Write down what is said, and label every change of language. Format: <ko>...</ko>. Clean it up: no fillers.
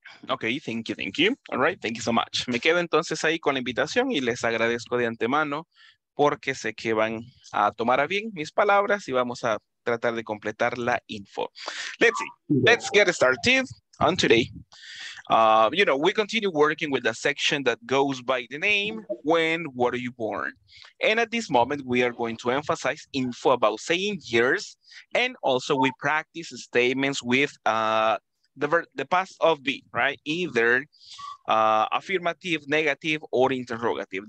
<en>Okay, thank you, all right, thank you so much.</en> <es>Me quedo entonces ahí con la invitación y les agradezco de antemano porque sé que van a tomar a bien mis palabras y vamos a tratar de completar la info.</es> <en>Let's see, let's get started on today. You know, we continue working with the section that goes by the name, when were you born? And at this moment, we are going to emphasize info about saying years and also we practice statements with the past of be, right? Either affirmative, negative, or interrogative.</en>